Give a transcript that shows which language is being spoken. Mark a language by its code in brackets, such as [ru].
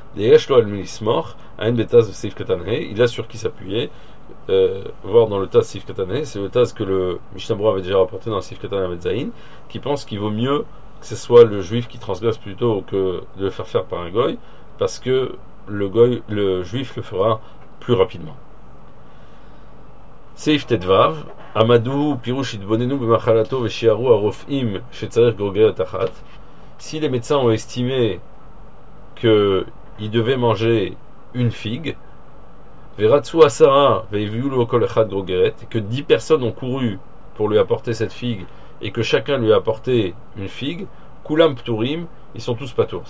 [fr] Il a sur qui s'appuyer, voir dans le Taz Sif Katane, c'est le Taz que le Mishnah Berurah avait déjà rapporté dans le Sif Katane Amet Zayin, qui pense qu'il vaut mieux que ce soit le juif qui transgresse plutôt que de le faire par un goy, parce que le juif le fera plus rapidement. [he] סעיף תדבב, עמדו פירוש התבוננו במחלתו ושיערו הרופאים שצריך גורגרת אחת. [fr] Si les médecins ont estimé qu'il devait manger une figue, [he] Veratsu Asara Veivulu Kolechad Grogeret, [fr] que 10 personnes ont couru pour lui apporter cette figue et que chacun lui a apporté une figue, [he] Kulam Pturim, [fr] ils sont tous patour.